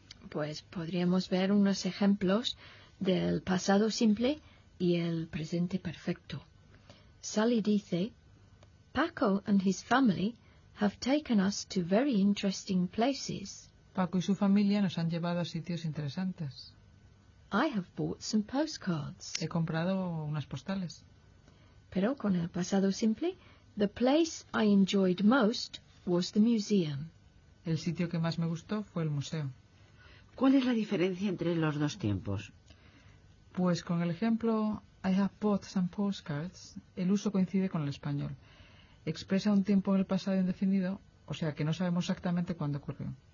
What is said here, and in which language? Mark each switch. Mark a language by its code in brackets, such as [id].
[es] Pues podríamos ver unos ejemplos del pasado simple y el presente perfecto. [en] Sally [es] dice, [en] Paco and his family have taken us to very interesting places. [es] Paco y su familia nos han llevado a sitios interesantes. [en] I have bought some postcards. [es] He comprado unas postales. Pero con el pasado simple, [en] the place I enjoyed most was the museum. [es] El sitio que más me gustó fue el museo. ¿Cuál es la diferencia entre los dos tiempos? Pues con el ejemplo [en] I have bought some postcards, [es] el uso coincide con el español. Expresa un tiempo en el pasado indefinido, o sea que no sabemos exactamente cuándo ocurrió.